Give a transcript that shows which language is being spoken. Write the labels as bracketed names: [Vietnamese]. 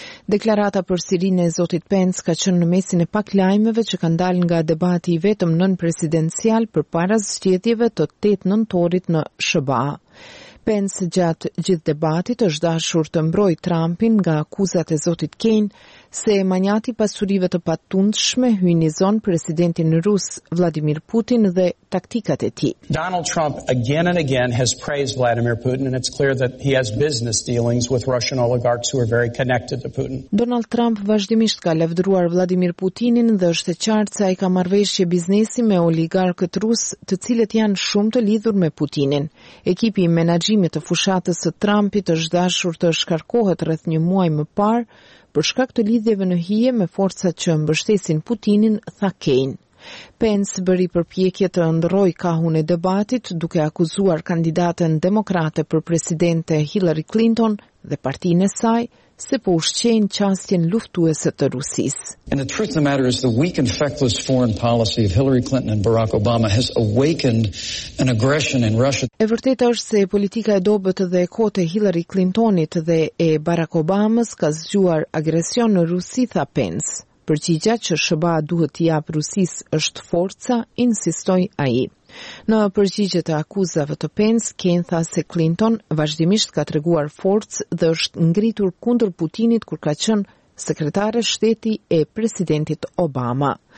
[Albanian] Deklarata për Sirinë e zotit Pence ka qenë në mesin e pak lajmeve që kanë dalë nga debati i vetëm nën presidencial për para zgjedhjeve të 8 nëntorit në SBA. Pence gjatë gjithë debatit është dashur të mbrojë Trumpin nga akuzat e zotit Kaine se emanjati pasurive të patundshme hyjnë në zonë presidentin rus Vladimir Putin dhe taktikat e tij. [English] Donald Trump again and again has praised Vladimir Putin and it's clear that he has business dealings with Russian oligarchs who are very connected to Putin. [Albanian] Donald Trump vazhdimisht ka lavdëruar Vladimir Putinin dhe është e qartë se ai ka marrëveshje biznesi me oligarkët rus, të cilët janë shumë të lidhur me Putinin. Ekipi i menaxhimit të fushatës së Trumpit është dashur të shkarkohet rreth një muaj më parë për shkak të lidhjeve në hije me forcat që mbështesin Putinin, tha Kane. Pence bëri përpjekje të ndroj kahun e debatit duke akuzuar kandidatën demokrate për presidente Hillary Clinton dhe partinë e saj se po ushqejnë qasjen luftuese të Rusisë. [English] And the truth of the matter is the weak and feckless foreign policy of Hillary Clinton and Barack Obama has awakened an aggression in Russia. [Albanian] E vërteta është se politika e dobët dhe e kotë e Hillary Clintonit dhe e Barack Obamas ka zgjuar agresion në Rusi, tha Pence. Përgjigja që SBA duhet t'i japë Rusisë është forca, insistoi ai. Në përgjigje të akuzave të Pence, Kane tha se Clinton vazhdimisht ka treguar forcë dhe është ngritur kundër Putinit kur ka qenë sekretare shteti e presidentit Obama.